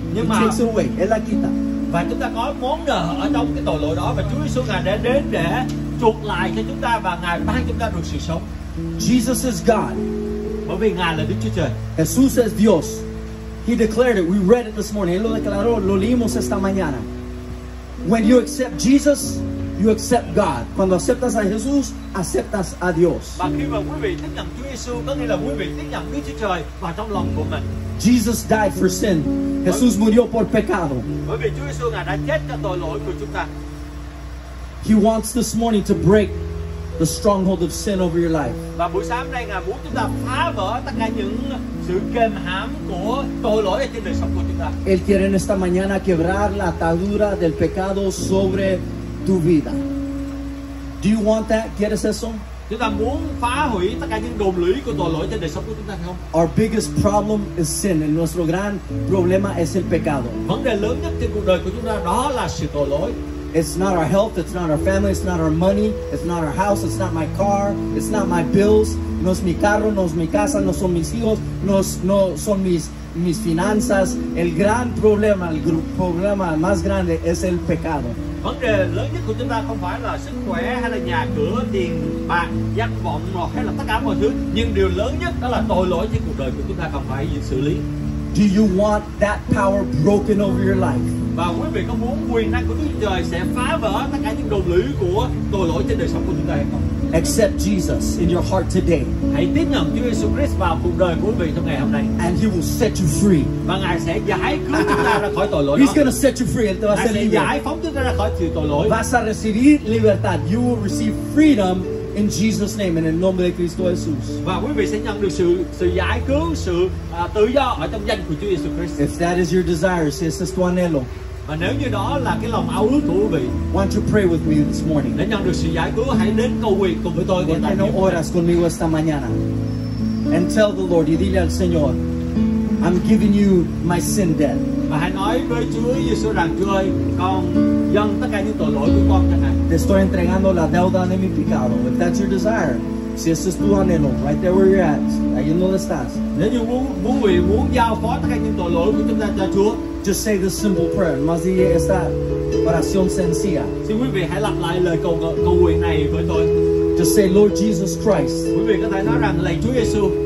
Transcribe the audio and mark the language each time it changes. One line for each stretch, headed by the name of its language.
English: Takes it away.
Spanish: Él la quita.
Vietnamese: Và chúng ta có món nợ ở trong cái tội lỗi đó và Chúa Giêsu Ngài đã đến để chuộc lại cho chúng ta và Ngài ban chúng ta được sự sống.
English: Jesus is God.
Vietnamese: Bởi vì Ngài là Đức Chúa Trời.
Spanish: Jesús es Dios.
English: He declared it. We read it this morning.
Spanish: Él lo declaró. Lo leímos esta mañana.
English: When you accept Jesus, you accept God.
Spanish: Cuando aceptas a Jesús, aceptas a Dios.
Vietnamese: Và khi mà quý vị tiếp nhận Chúa Giêsu, có nghĩa là quý vị tiếp nhận Đức Chúa Trời vào trong lòng của mình.
English: Jesus died for sin.
Spanish: Jesús murió por pecado.
Vietnamese: Bởi vì Chúa Giêsu ngài đã chết cho tội lỗi của chúng ta.
English: He wants this morning to break the stronghold of sin over your life.
Vietnamese: Và buổi sáng nay ngài muốn chúng ta phá vỡ tất cả những sự kềm hãm của tội lỗi trên đời sống của chúng ta.
Spanish: Él quiere en esta mañana quebrar la atadura del pecado sobre tu vida.
English: Do you want that?
Spanish: ¿Quieres eso?
Vietnamese: Chúng ta muốn phá hủy tất cả những đồn lũy của tội lỗi trên đời sống của chúng ta không?
English: Our biggest problem is sin.
Spanish: El nuestro gran problema es el pecado.
Vietnamese: Vấn đề lớn nhất trên cuộc đời của chúng ta đó là sự tội lỗi.
English: It's not our health, it's not our family, it's not our money, it's not our house, it's not my car, it's not my bills,
Spanish: no es mi carro, no es mi casa, no son mis hijos, no son mis finanzas. El gran problema, el problema más grande es el pecado.
Vietnamese: Vấn đề lớn nhất của chúng ta không phải là sức khỏe hay là nhà cửa, tiền bạc, danh vọng hay là tất cả mọi thứ, nhưng điều lớn nhất đó là tội lỗi trên cuộc đời của chúng ta cần phải xử lý.
English: Do you want that power broken over your life?
Vietnamese: Và quý vị có muốn quyền năng của Đức Chúa Trời sẽ phá vỡ tất cả những đồn lũy của tội lỗi trên đời sống của chúng ta hay không?
English: Accept Jesus in your heart today.
Vietnamese: Hãy tiếp nhận Chúa Giêsu Christ vào cuộc đời của quý vị trong ngày hôm nay.
English: And He will set you free.
Vietnamese: Và Ngài sẽ giải cứu chúng ta ra khỏi tội lỗi.
English: He's going to set you free.
Vietnamese: Ngài sẽ giải phóng chúng ta ra khỏi sự tội lỗi.
Spanish: Vas a recibir libertad.
English: You will receive freedom in Jesus' name and in the name of Christ Jesus.
Vietnamese: Và quý vị sẽ nhận được sự giải cứu, sự tự do ở trong danh của Chúa Giêsu Christ.
English: If that is your desire,
Spanish: si ese es tu anhelo.
Vietnamese: Và nếu như đó là cái lòng ao ước của quý vị,
English: want to pray with me this morning.
Vietnamese: Để nhận được sự giải cứu, hãy đến cầu nguyện cùng với tôi.
Spanish: Ven no oras conmigo esta mañana.
English: And tell the Lord,
Spanish: y dile al Señor,
English: I'm giving you my sin debt.
Vietnamese: Và hãy nói với Chúa Giêsu rằng, Chúa ơi, con dâng tất cả những tội lỗi của con cho ngài.
Spanish: Te estoy entregando la deuda de mi pecado.
English: If that's your desire,
Spanish: si ese es tu anhelo,
English: right there where you're at,
Spanish: ahí donde estás.
Vietnamese: Nếu như muốn quý vị muốn giao phó tất cả những tội lỗi của chúng ta cho Chúa,
English: just say this simple prayer.
Spanish: Más allá esta oración sencilla.
Vietnamese: Xin quý vị hãy lặp lại lời cầu nguyện này với tôi.
English: Just say, Lord Jesus Christ.
Vietnamese: Quý vị có thể nói rằng, lạy Chúa Giêsu.